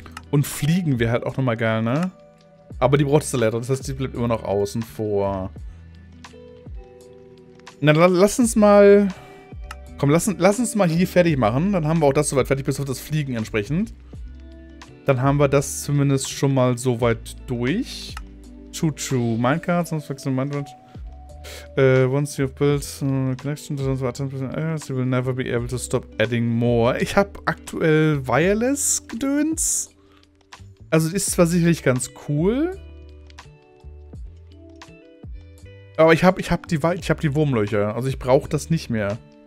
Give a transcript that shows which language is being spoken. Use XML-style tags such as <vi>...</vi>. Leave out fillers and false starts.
<de>Und fliegen wäre halt auch nochmal geil, ne? Aber die brauchst du leider, das heißt, die bleibt immer noch außen vor. Na, lass uns mal... Komm, lass uns mal hier fertig machen, dann haben wir auch das soweit fertig, bis auf das Fliegen entsprechend. Dann haben wir das zumindest schon mal soweit durch.</de> <en>True.</en> <de>Minecarts, sonst wechseln Minecraft.</de> <en>Once you've built a connection to those items, you will never be able to stop adding more.</en> <de>Ich habe aktuell Wireless-Gedöns. Also ist zwar sicherlich ganz cool. Aber ich hab die Wurmlöcher. Also ich brauche das nicht mehr.</de>